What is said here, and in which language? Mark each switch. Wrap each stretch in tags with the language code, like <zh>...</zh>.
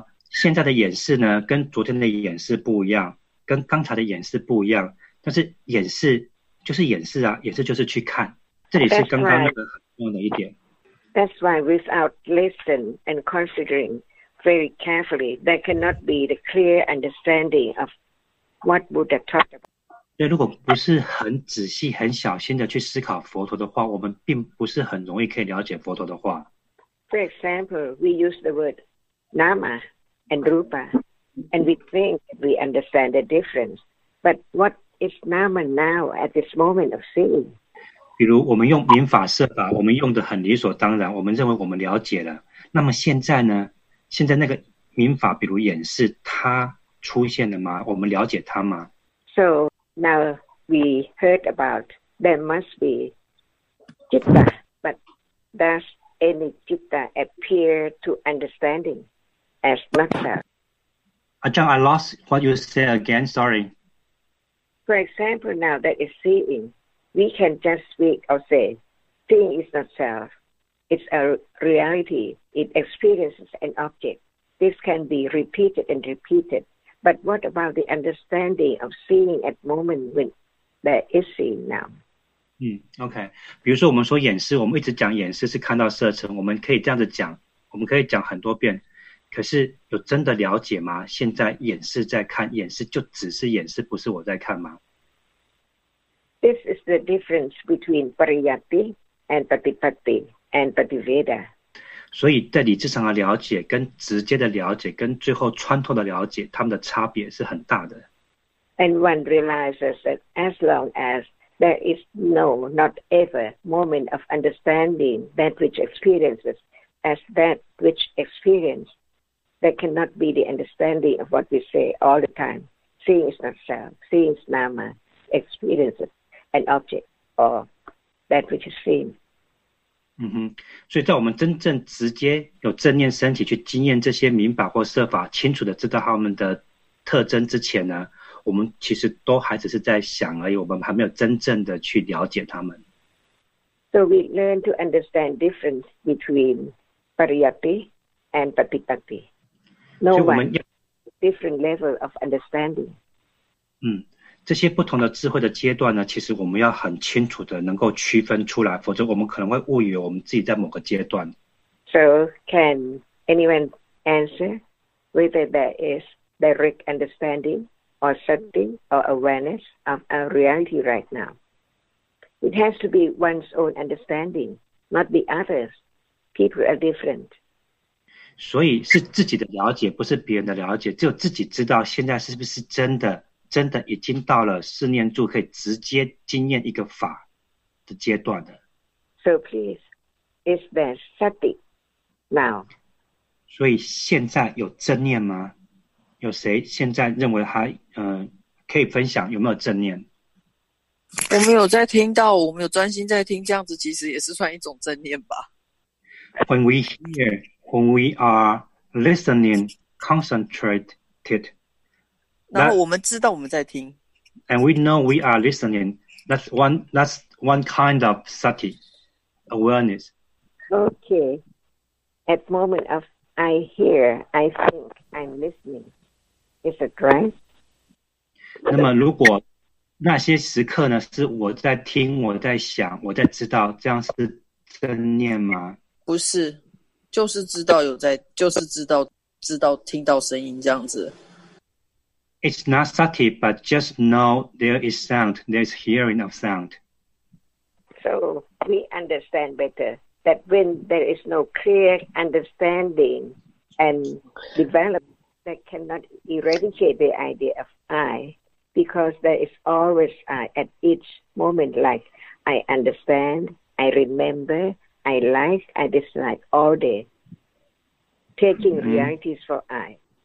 <zh>现在的眼识呢，跟昨天的眼识不一样，跟刚才的眼识不一样。但是眼识就是眼识啊，眼识就是去看。这里是刚刚那个很重要的一点。</zh> <en>That's why without listening and considering very carefully, there cannot be the clear understanding of what Buddha talked about.</en> <zh>对，如果不是很仔细、很小心的去思考佛陀的话，我们并不是很容易可以了解佛陀的话。</zh> <en>For example, we use the word nama and rupa, and we think we understand the difference. But what is nama now at this moment of seeing?</en> <zh>比如我们用明法设法，我们用的很理所当然，我们认为我们了解了。那么现在呢？现在那个明法，比如眼识，它出现了吗？我们了解它吗</zh> <en>？So now we heard about there must be citta, but does any citta appear to understanding as matter? Ajahn, I lost what you said again. Sorry. For example, now that is seeing. We can just speak or say, seeing is not self. It's a reality. It experiences an object. This can be repeated and repeated. But what about the understanding of seeing at moment when there is seeing now? Okay.</en> <zh>比如说我们说眼识，我们一直讲眼识是看到色尘，我们可以这样子讲，我们可以讲很多遍。可是有真的了解吗？现在眼识在看，眼识就只是眼识，不是我在看吗？</zh> <en>This is the difference between pariyatti and patipatti and pativeda.</en> <zh>所以在理智上的了解跟直接的了解跟最后穿透的了解，他们的差别是很大的。</zh> <en>And one realizes that as long as there is no, not ever, moment of understanding that which experiences as that which experienced, there cannot be the understanding of what we say all the time. Seeing is not self, seeing is nama, experiences. An object or that which is seen.</en> <zh>所以在我们真正直接有正念身体去经验这些明法或设法，清楚的知道他们的特征之前呢，我们其实都还只是在想而已，我们还没有真正的去了解他们。</zh> <en>So we learn to understand difference between pariyatti and patipatti. No one different level of understanding.</en> <zh>这些不同的智慧的阶段呢，其实我们要很清楚的能够区分出来，否则我们可能会误以为我们自己在某个阶段。</zh> <en>So, can anyone answer? whether there is direct understanding or something or awareness of our reality right now. It has to be one's own understanding, not the others. People are different.</en> <zh>所以是自己的了解，不是别人的了解，只有自己知道现在是不是真的，真的已经到了四念住可以直接经验一个法的阶段的。</zh> <en>So please, is there sati now?</en> <zh>所以现在有正念吗？有谁现在认为他可以分享有没有正念？我们有在听到，我们有专心在听，这样子其实也是算一种正念吧。</zh> <en>When we hear, when we are listening, concentrated,</en> <zh>然后我们知道我们在听。</zh> <en>And we know we are listening. That's one kind of sati. Awareness. Okay. At the moment of I hear, I think, I'm listening. Is it right?</en> <zh>那么如果那些时刻呢，是我在听，我在想，我在知道，这样是正念吗？不是，就是知道有在，就是知道听到声音这样子。</zh> <en>It's not sati, but just know there is sound, there's hearing of sound. So... We understand better that when there is no clear understanding and develop, that cannot eradicate the idea of I, because there is always I at each moment, like I understand, I remember, I like, I dislike all day, taking realities for I.</en>